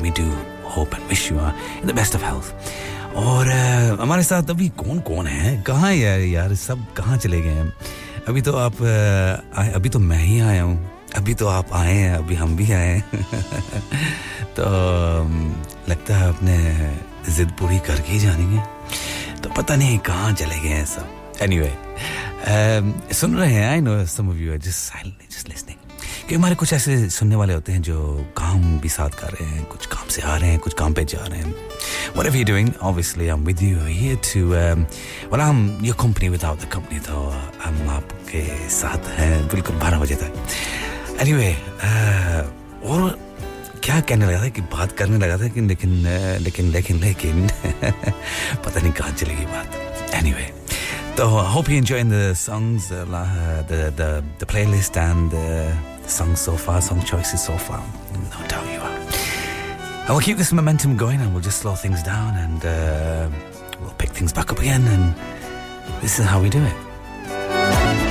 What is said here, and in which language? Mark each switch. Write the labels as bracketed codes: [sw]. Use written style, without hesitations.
[en] We do hope and wish you are in the best of health. [hi] Aur hamare saath abhi kaun kaun hai? Kahan hai yaar? Sab kahan chale gaye hain? Abhi to aap, abhi to main hi aaya hoon. Abhi to aap aaye hain. Abhi hum bhi aaye hain. तो लगता है आपने जिद पूरी करके ही जानी है तो पता नहीं कहां चले गए हैं सब एनीवे सुन रहे हैं [en] I know some of you are just silent just listening [hi] क्योंकि हमारे कुछ ऐसे सुनने वाले होते हैं जो काम भी साथ कर रहे हैं कुछ काम से आ रहे हैं कुछ काम पे जा रहे हैं [en] whatever you doing obviously I am with you here too well I am your company without the company [hi] तो हम आपके साथ हैं बिल्कुल 12 बजे तक एनीवे और क्या कहने लगा था कि बात करने लगा था कि लेकिन लेकिन लेकिन लेकिन पता नहीं कहां चली गई बात एनीवे [en] तो hope you enjoy the songs the the the playlist and songs so far, song choices so far. No doubt you are. And we'll keep this momentum going and we'll just slow things down and we'll pick things back up again, and this is how we do it.